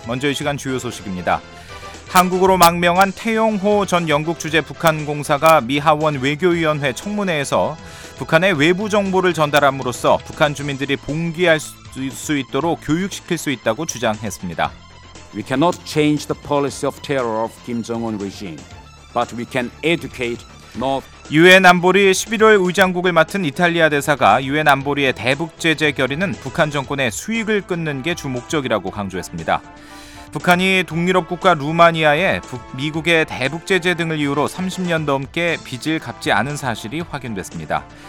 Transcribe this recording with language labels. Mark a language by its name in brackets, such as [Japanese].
[Korean] 먼저 이 시간 주요 소식입니다. 한국으로 망명한 태용호 전 영국 주재 북한 공사가 미 하원 외교위원회 청문회에서 북한에 외부 정보를 전달함으로써 북한 주민들이 봉기할 수 있도록 교육시킬 수 있다고 주장했습니다. [English] We cannot change the policy of terror of Kim Jong-un regime, but we can educate North. [Korean] 유엔 안보리 11월 의장국을 맡은 이탈리아 대사가 유엔 안보리의 대북 제재 결의는 북한 정권의 수익을 끊는 게 주목적이라고 강조했습니다. 북한이 동유럽 국가 루마니아에 미국의 대북 제재 등을 이유로 30년 넘게 빚을 갚지 않은 사실이 확인됐습니다.